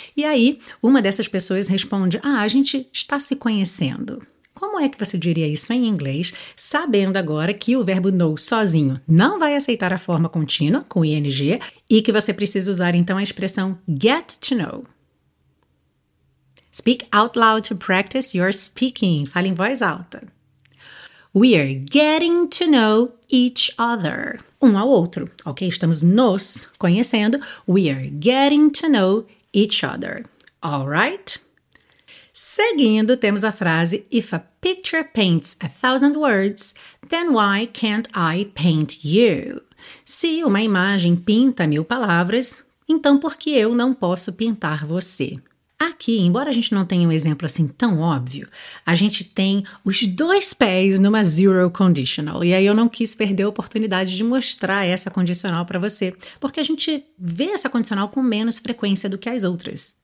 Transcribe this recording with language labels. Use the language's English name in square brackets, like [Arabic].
[Portuguese] E aí uma dessas pessoas responde: ah, a gente está se conhecendo. Como é que você diria isso em inglês, sabendo agora que o verbo know sozinho não vai aceitar a forma contínua, com ing, e que você precisa usar então a expressão get to know? [English] Speak out loud to practice your speaking. [Portuguese] Fale em voz alta. [English] We are getting to know each other. [Portuguese] Um ao outro, ok? Estamos nos conhecendo. [English] We are getting to know each other. All right? Seguindo, temos a frase: if a picture paints 1,000 words, then why can't I paint you? [Portuguese] Se uma imagem pinta 1,000 palavras, então por que eu não posso pintar você? Aqui, embora a gente não tenha um exemplo assim tão óbvio, a gente tem os dois pés numa zero conditional. E aí eu não quis perder a oportunidade de mostrar essa condicional para você, porque a gente vê essa condicional com menos frequência do que as outras.